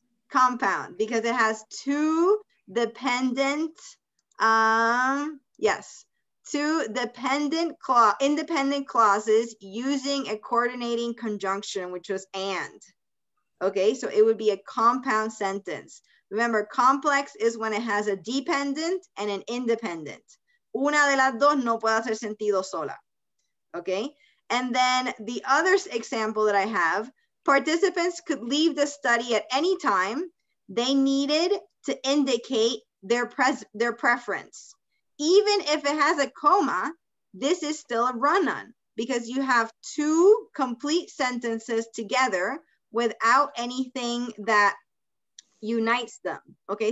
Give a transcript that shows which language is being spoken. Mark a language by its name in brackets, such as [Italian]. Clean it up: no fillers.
[English] Compound, because it has two dependent, yes, two dependent independent clauses using a coordinating conjunction, which was and. Okay, so it would be a compound sentence. Remember, complex is when it has a dependent and an independent. [Spanish] Una de las dos no puede hacer sentido sola. [English] Okay, and then the other example that I have, participants could leave the study at any time they needed to indicate their preference. Even if it has a comma, this is still a run-on because you have two complete sentences together without anything that unites them, okay?